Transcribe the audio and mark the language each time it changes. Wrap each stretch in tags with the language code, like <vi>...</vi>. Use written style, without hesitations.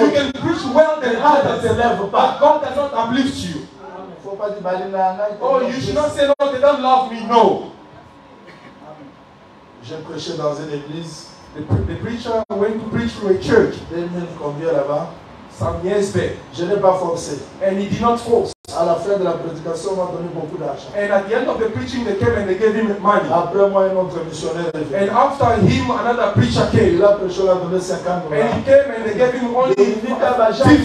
<en>You can preach well than others.</en> <fr>Te lève pas.</fr> <en>But God does not uplift you.</en> <fr>Faut pas dire malin là.</fr> <en>Oh, you should not say, Lord, they don't love me. No.</en> <fr>J'ai prêché dans une église.</fr> <en>The preacher went to preach to a church.</en> <fr>Il m'a convié là-bas.</fr> <en>Some years back.</en> <fr>Je n'ai pas forcé.</fr> <en>And he did not force.</en> <fr>À la fin de la prédication, on m'a donné beaucoup d'argent.</fr> <en>And at the end of the preaching, they came and they gave him money.</en> <fr>Après moi, un autre missionnaire est venu.</fr> <en>And after him, another preacher came.</en> <fr>Il a prêché, on a donné 50</fr> <en>dollars. And he came and they gave him only $50.</en>